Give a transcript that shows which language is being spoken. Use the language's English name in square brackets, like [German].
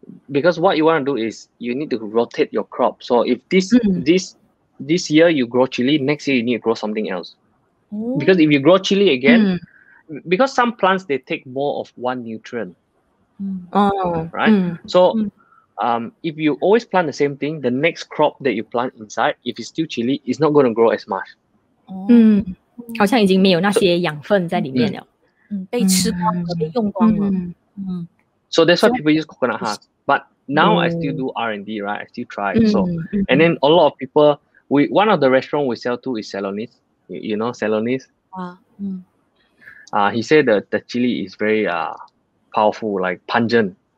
[English] Because what you want to do is you need to rotate your crop. So if this year you grow chili, next year you need to grow something else. Because if you grow chili again, because some plants they take more of one nutrient. If you always plant the same thing, the next crop that you plant inside, if it's still chili, it's not going to grow as much. [Chinese] 好像已经没有那些养分在里面了。被吃光了，被用光了。 [English] So that's why people use coconut husk. But now I still do R&D, right? I still try. And then a lot of people, one of the restaurants we sell to is Salonis. You know Salonis? He said the chili is very powerful, like pungent.